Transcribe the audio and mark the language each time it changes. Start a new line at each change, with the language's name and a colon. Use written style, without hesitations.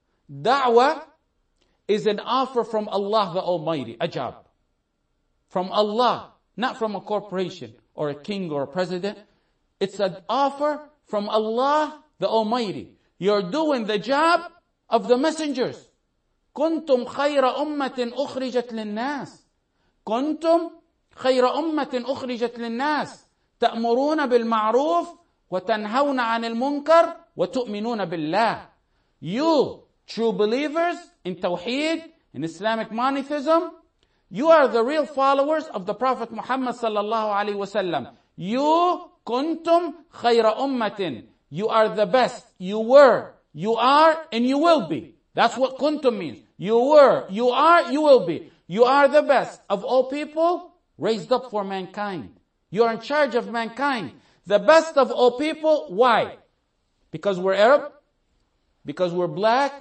English: Da'wah is an offer from Allah the Almighty, a job. From Allah, not from a corporation or a king or a president. It's an offer from Allah the Almighty. You're doing the job of the messengers.
Arabic: كنتم خير أمة أخرجت للناس. كنتم خير أمة أخرجت للناس. تأمرون بالمعروف وتنهون عن المنكر وتؤمنون بالله.
English: You, true believers in Tawheed, in Islamic monotheism, you are the real followers of the Prophet Muhammad sallallahu alayhi wa sallam.
Arabic: You, كنتم خير أمة.
English: You are the best. You were, you are, and you will be. That's what kuntum means. You were, you are, you will be. You are the best of all people raised up for mankind. You are in charge of mankind. The best of all people, why? Because we're Arab? Because we're black?